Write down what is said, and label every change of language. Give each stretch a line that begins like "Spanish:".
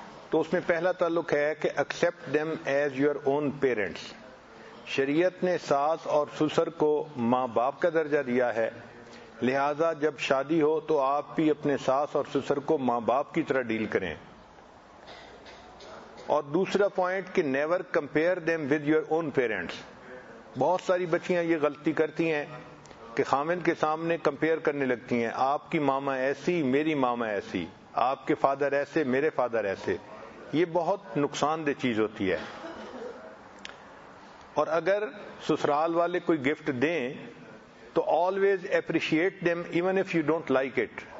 Urdu: تو اس میں پہلا تعلق ہے کہ
English: accept them as your own parents.
Urdu: شریعت نے ساس اور سسر کو ماں باپ کا درجہ دیا ہے، لہذا جب شادی ہو تو آپ بھی اپنے ساس اور سسر کو ماں باپ کی طرح ڈیل کریں. اور دوسرا پوائنٹ کہ
English: never compare them with your own parents.
Urdu: بہت ساری بچیاں یہ غلطی کرتی ہیں کہ خاوند کے سامنے کمپیئر کرنے لگتی ہیں، آپ کی ماما ایسی میری ماما ایسی، آپ کے فادر ایسے میرے فادر ایسے. یہ بہت نقصان دہ چیز ہوتی ہے. اور اگر سسرال والے کوئی گفٹ دیں تو
English: Always appreciate them even if you don't like it.